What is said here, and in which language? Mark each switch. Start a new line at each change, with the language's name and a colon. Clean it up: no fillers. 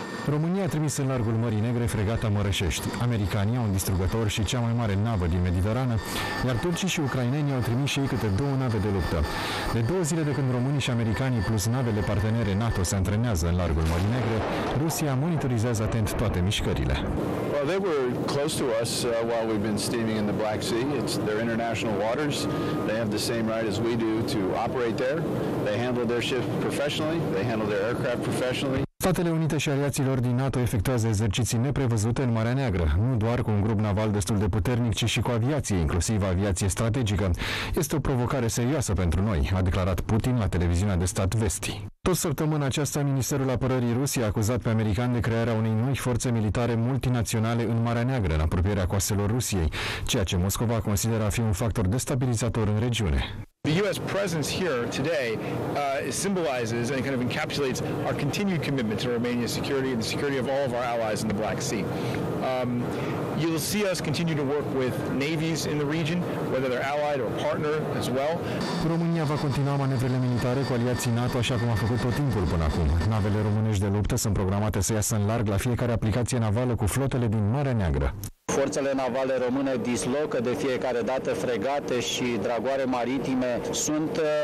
Romanian: România a trimis în largul Mării Negre fregata Mărășești. Americanii au un distrugător și cea mai mare navă din Mediterană, iar turcii și ucrainenii au trimis și ei câte două nave de luptă. De două zile de când românii și americanii plus navele partenere NATO se antrenează în largul Mării Negre, Rusia monitorizează atent toate mișcările.
English: Well, they were close to us while we've been steaming in the Black Sea. It's their international waters. They have the same right as we do to operate there. They handle their ship professionally. They handle their aircraft professionally.
Romanian: Statele Unite și aliaților din NATO efectuează exerciții neprevăzute în Marea Neagră, nu doar cu un grup naval destul de puternic, ci și cu aviație, inclusiv aviație strategică. Este o provocare serioasă pentru noi, a declarat Putin la televiziunea de stat Vesti. Tot săptămâna aceasta, Ministerul Apărării Rusiei a acuzat pe americani de crearea unei noi forțe militare multinaționale în Marea Neagră, în apropierea coastelor Rusiei, ceea ce Moscova consideră a fi un factor destabilizator în regiune.
English: The U.S. presence here today symbolizes and kind of encapsulates our continued commitment to Romania's security and the security of all of our allies in the Black Sea. You'll see us continue to work with navies in the region, whether they're allied or partner as well.
Romanian: România va continua manevrele militare cu aliații NATO așa cum a făcut tot timpul până acum. Navele românești de luptă sunt programate să iasă în larg la fiecare aplicație navală cu flotele din Marea Neagră. Forțele navale române dislocă de fiecare dată fregate și dragoare maritime. Sunt